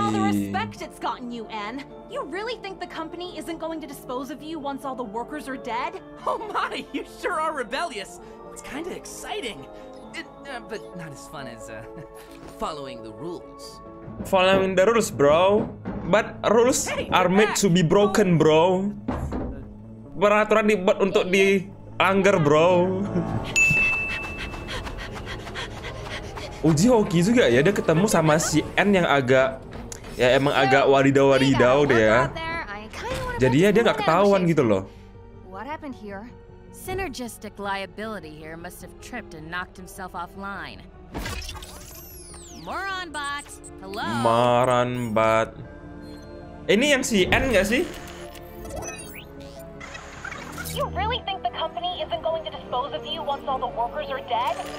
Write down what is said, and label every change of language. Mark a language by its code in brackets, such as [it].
[en] Look at all the respect it's gotten you, Anne. You really think the company isn't going to dispose of you once all the workers are dead? Oh my, you sure are rebellious. It's kind of exciting. But not as fun as following the rules. Following the rules, bro. But rules are made to be broken, bro. [id] Peraturan dibuat untuk dianggar, bro. Uji hoki juga ya, dia ketemu sama si N yang agak ya emang agak wadidaw-wadidaw deh ya. Jadi ya dia nggak ketahuan gitu loh. [en] What happened here? Synergistic liability here must have tripped and knocked himself offline. Moron bot. Hello. Moron bot. [id] Ini yang si N nggak sih? [en] You really think the company isn't going to dispose of you once all the workers are dead?